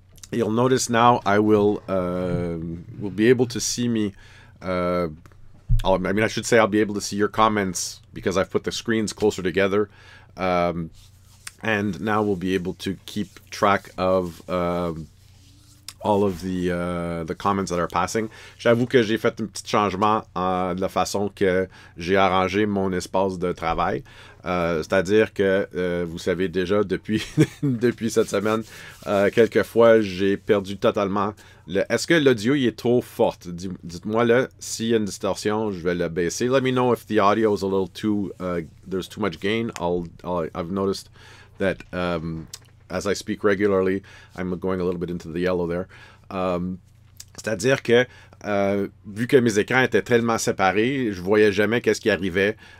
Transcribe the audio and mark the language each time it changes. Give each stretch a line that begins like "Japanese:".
English: You'll notice now I will be able to see me. I'll be able to see your comments because I've put the screens closer together. And now we'll be able to keep track of all of the comments that are passing.
French: J'avoue que j'ai fait un petit changement de la façon que j'ai arrangé mon espace de travail. C'est-à-dire que vous savez déjà depuis depuis cette semaine, quelquefois j'ai perdu totalement. Est-ce que l'audio est trop fort? Dites-moi là, s'il y a une distorsion, je vais le baisser.
English: Let me know if the audio is a little too there's too much gain. I've noticed that as I speak regularly, I'm going a little bit into the yellow there.
French: C'est-à-dire que vu que mes écrans étaient tellement séparés, je voyais jamais qu'est-ce qui arrivait.